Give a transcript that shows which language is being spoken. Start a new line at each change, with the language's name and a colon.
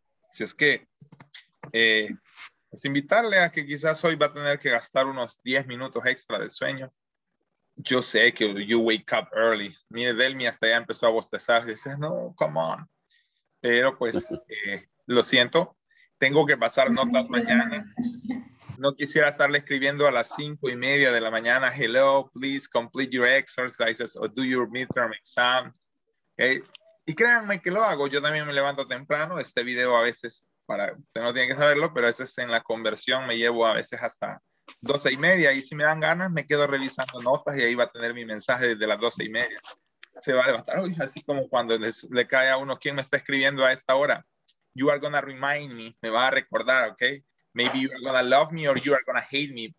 Spanish: Si es que, pues invitarle a que quizás hoy va a tener que gastar unos 10 minutos extra de sueño. Yo sé que
English: you wake up early.
Spanish: Mire, Delmi hasta ya empezó a bostezar. Dice, no,
English: come on.
Spanish: Pero pues, lo siento. Tengo que pasar notas mañana. No quisiera estarle escribiendo a las 5:30 de la mañana.
English: Hello, please complete your exercises or do your midterm exam.
Spanish: Okay. Y créanme que lo hago. Yo también me levanto temprano. Este video a veces, para usted no tiene que saberlo, pero a veces en la conversión me llevo a veces hasta 12:30, y si me dan ganas, me quedo revisando notas y ahí va a tener mi mensaje desde las 12:30. Se va a levantar, uy, así como cuando le cae a uno, ¿quién me está escribiendo a esta hora?
English: You are gonna remind me,
Spanish: me va a recordar,
English: ¿ok? Maybe you are gonna love me or you are gonna hate me.